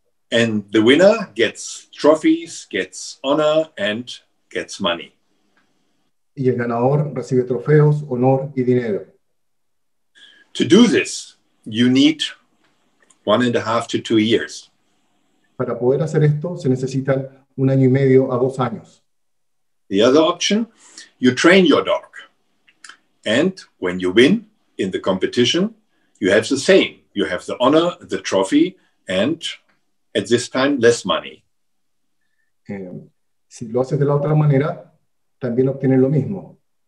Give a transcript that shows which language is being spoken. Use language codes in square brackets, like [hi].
[en] And the winner gets trophies, gets honor, and gets money. [es] Y el ganador recibe trofeos, honor y dinero. [en] To do this, you need 1.5 to 2 years. [es] Para poder hacer esto, se necesitan [en] 1.5 to 2 years. The other option, you train your dog. And when you win in the competition, you have the same. You have the honor, the trophy, and at this time, less money. [es] Si lo haces de la otra manera, también obtienes lo mismo.